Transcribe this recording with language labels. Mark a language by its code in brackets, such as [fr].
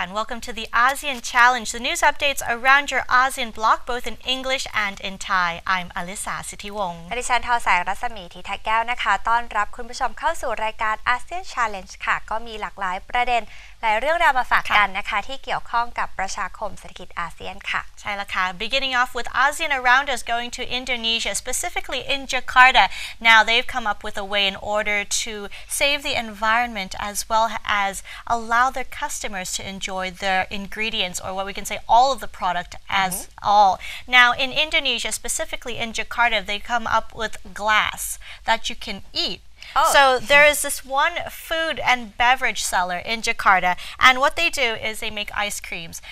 [en] and welcome to the ASEAN Challenge, the news updates around your ASEAN block, both in English and in Thai. I'm Alyssa Sithiwong. [th] ดิฉันทอสายรัศมีทิทักแก้วนะคะต้อนรับคุณผู้ชมเข้าสู่รายการ ASEAN Challenge ค่ะก็มีหลากหลายประเด็นหลายเรื่องราวมาฝากกันนะคะที่เกี่ยวข้องกับประชาคมเศรษฐกิจอาเซียนค่ะ ใช่แล้วค่ะ [en] beginning off with ASEAN around us going to Indonesia specifically in Jakarta now they've come up with a way in order to save the environment as well as allow their customers to enjoy their ingredients or what we can say all of the product as all now in Indonesia specifically in Jakarta they come up with glass that you can eatSo there is this one food and beverage seller in Jakarta, and what they do is they make ice creams.